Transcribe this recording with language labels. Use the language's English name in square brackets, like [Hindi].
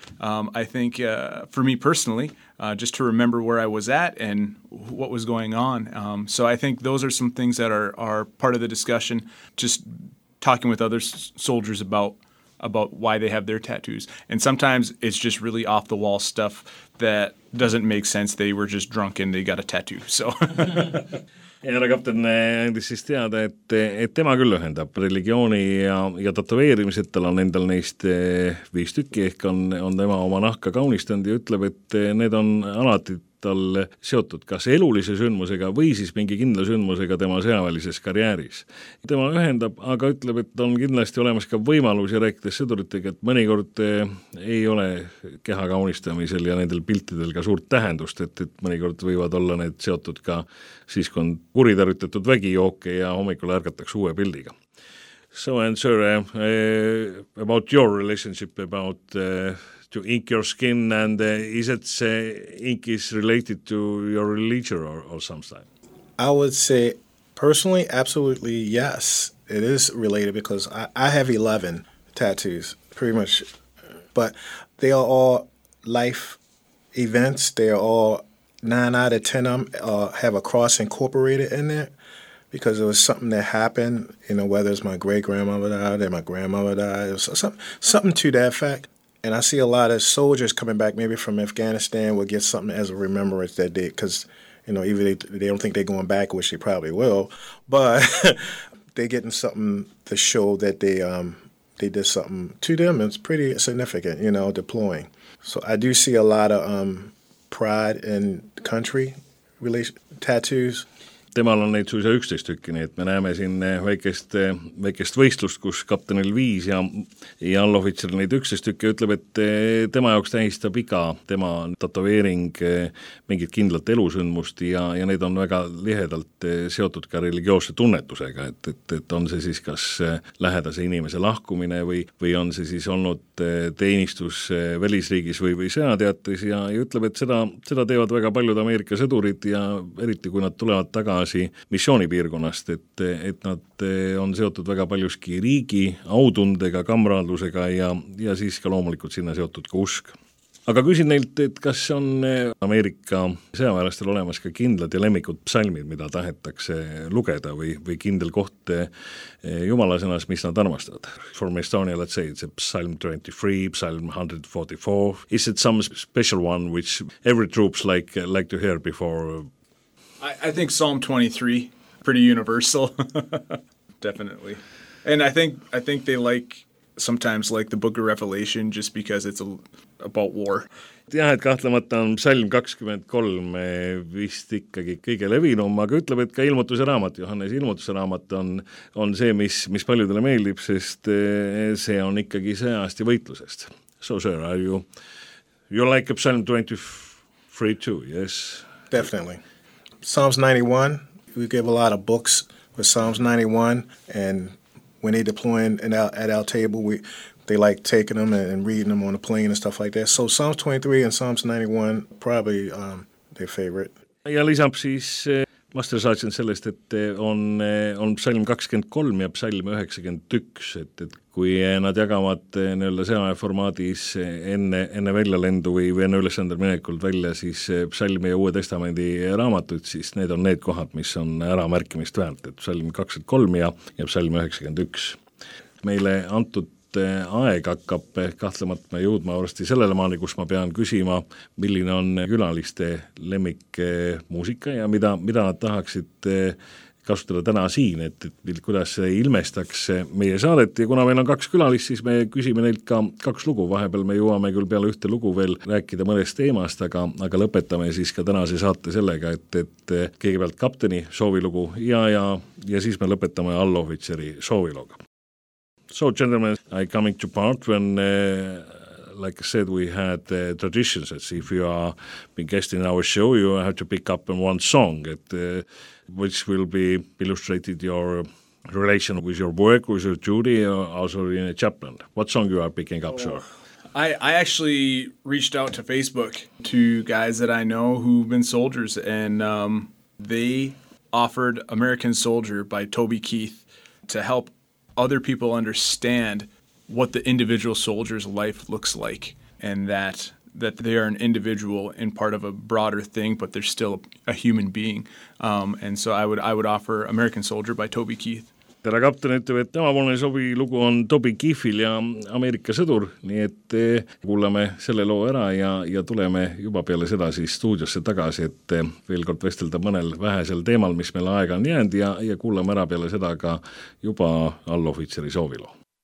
[English] I think for me personally, just to remember where I was at and what was going on. So I think those are some things that are part of the discussion, just talking with other soldiers about why they have their tattoos. And sometimes it's just really off the wall stuff that doesn't make sense. They were just drunk and they got a tattoo. So [Estonian] Ja kapten endis siis teada, et tema küll ühendab religiooni ja tatoveerimised, tal on endal neist 5 tükki, ehk on tema oma nahka kaunistanud ja ütleb, et need on alati tal seotud kas elulise sündmusega või siis mingi kindla sündmusega tema sõjavälises karjääris. Tema ühendab, aga ütleb, et on kindlasti olemas ka võimalus ja rääkides sõduritega, et mõnikord ei ole keha kaunistamisel ja nendel piltidel ka suurt tähendust, et mõnikord võivad olla need seotud ka siis, kui on kuritarvitatud vägijooke ja hommikul ärgatakse uue pildiga. [English] So and sir, about your relationship, about to ink your skin, and is it ink is related to your religion or something? I would say, personally, absolutely yes, it is related because I have 11 tattoos, pretty much, but they are all life events. They are all 9 out of 10 of them have a cross incorporated in it because it was something that happened. You know, whether it's my great grandmother died or my grandmother died, or something to that effect. And I see a lot of soldiers coming back maybe from Afghanistan will get something as a remembrance that day because, you know, even they don't think they're going back, which they probably will, but they're getting something to show that they did something to them. It's pretty significant, you know, deploying. So I do see a lot of pride in country relation tattoos. [Estonian] Temal on neid suisa 11 tükki, nii et me näeme siin väikest võistlust, kus kaptenil 5 ja allohvitser neid 11 tükki ütleb, et tema jaoks tähistab iga tema tatoveering mingit kindlat elusündmust ja need on väga lihedalt seotud ka religioosse tunnetusega, et on see siis kas lähedase inimese lahkumine või on see siis olnud teenistus välisriigis või sõjateatis ja ütleb, et seda teevad väga paljud Ameerika sõdurid ja eriti kui nad tulevad taga missioonipiirkonnast, et nad on seotud väga paljuski riigi autundega, kamraadlusega ja siis ka loomulikult sinna seotud ka usk. Aga küsin neilt, et kas on Ameerika sõjaväelastel olemas ka kindlad ja lemmikud psalmid, mida tahetakse lugeda või kindel koht jumalasõnas, mis nad armastavad? [English] For Estonia, let's say it's a psalm 23, psalm 144. Is it some special one which every troops like to hear before? I think Psalm 23, pretty universal, definitely. And I think they sometimes the Book of Revelation, just because it's about war. [Estonian] Jah, et kahtlemata on psalm 23 vist ikkagi kõige levinum, aga ütleb, et ka ilmutuse raamat, Johannes ilmutuse raamat on see, mis paljudele meeldib, sest see on ikkagi sõjast ja võitlusest. [English] So, sir, are you like a psalm 23 too, yes? Definitely. Psalms 91, we give a lot of books with Psalms 91, and when they deploy at our table, they like taking them and reading them on a plane and stuff like that. So Psalms 23 and Psalms 91, probably their favorite. [Estonian] Ja lisab siis Master Sergeant sellest, et on psalm 23 ja psalm 91, et kui nad jagavad nii-öelda sõjaväe formaadis enne väljalendu või enne ülesandel minekult välja, siis psalmi ja Uue Testamendi raamatud, siis need on need kohad, mis on ära märkimist väärt, et psalm 23 ja psalm 91. Meile antud aeg hakkab kahtlemata jõudma varsti sellele maani, kus ma pean küsima, milline on külaliste lemmik muusika ja mida nad tahaksid kasutada täna siin, et kuidas see ilmestaks meie saadet ja kuna meil on kaks külalist, siis me küsime neilt ka kaks lugu, vahepeal me jõuame küll peale ühte lugu veel rääkida mõnest teemast, aga lõpetame siis ka tänase saate sellega, et kõigepealt kapteni soovilugu ja siis me lõpetame allohvitseri sooviloga. [English] So gentlemen, I coming to part when like I said, we had traditions. Let's see, if you are been guest in our show, you have to pick up one song, which will be illustrated your relation with your work, with your duty, or also in a chaplain. What song you are picking up, sir? I actually reached out to Facebook to guys that I know who've been soldiers, and they offered American Soldier by Toby Keith to help other people understand what the individual soldier's life looks like, and that they are an individual and part of a broader thing, but they're still a human being. And so I would offer American Soldier by Toby Keith. [Estonian] Tere kapten ütleb, et tema poolne sobi lugu on Toby Keithil ja Ameerika sõdur, nii et kuuleme selle loo ära ja tuleme juba peale seda siis stuudiosse tagasi, et veel kord vestelda mõnel vähesel teemal, mis meil aega on jäänud ja kuuleme ära peale seda ka juba allohvitseri soovilo.